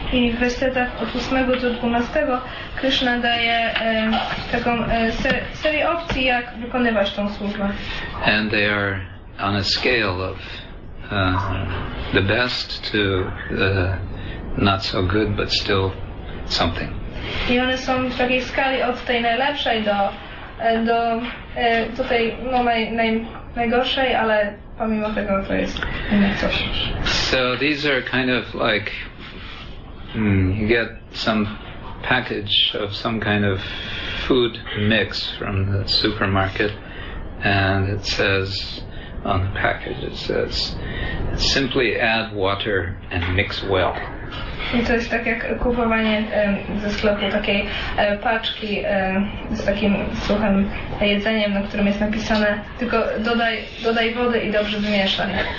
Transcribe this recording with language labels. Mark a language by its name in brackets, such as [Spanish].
[Polish] I w wersetach od 8 do 12 Krishna daje taką serię opcji, jak wykonywać tą służbę. [English] And they are on a scale of the best to the not so good, but still something. [Polish] I one są w takiej skali od tej najlepszej do tutaj no najgorszej, ale pomimo tego to jest coś. So these are kind of like you get some package of some kind of food mix from the supermarket, and it says on the package, it says simply add water and mix well. I to jest tak jak kupowanie ze sklepu takiej paczki z takim suchym jedzeniem, na którym jest napisane tylko dodaj wody i dobrze wymieszaj.